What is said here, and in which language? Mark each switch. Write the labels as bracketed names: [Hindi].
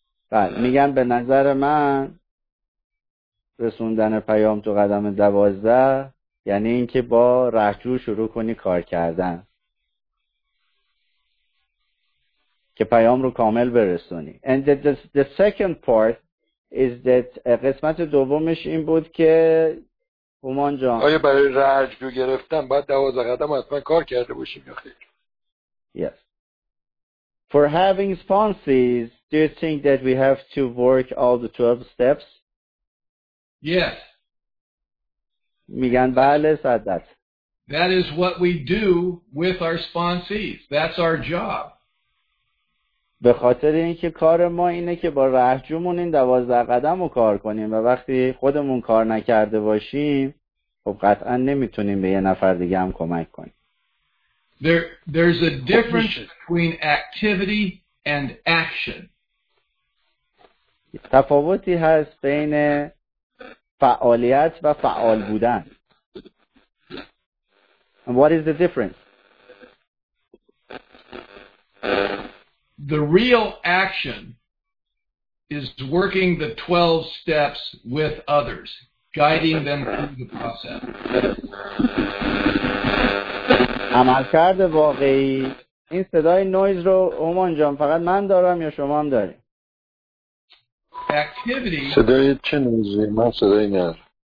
[Persian] بله، میگم به نظر من رسوندن پیام تو قدم 12 یعنی اینکه با رهجو شروع کنی کار کردن که پیام رو کامل برسونی. [English] And the second part is that [Persian] قسمت دومش این بود که [English] هومان جان، [Persian] آیا برای رهجو گرفتن باید 12 قدم حتما کار کرده باشیم یا خیر؟ [English] Yes. For having sponsors, do you think that we have to work all the 12 steps? Yes. [Persian] میگن بله، صدت. [English] That is what we do with our sponsees. That's our job. [Persian] به خاطر اینکه کار ما اینه که با رهجومون این 12 قدم رو کار کنیم، و وقتی خودمون کار نکرده باشیم خب قطعا نمیتونیم به یه نفر دیگه هم کمک کنیم. [English] There's a difference between activity and action. [Persian] تفاوتی هست بین فعالیت و فعال بودن. [English] And what is the difference? The real action is working the 12 steps with others, guiding them through the process. [Persian] عملکرد واقعی، این صدای نویز رو اومان جان فقط من دارم یا شما هم داری؟ صدای چه نویزی؟ من صدای نیارم.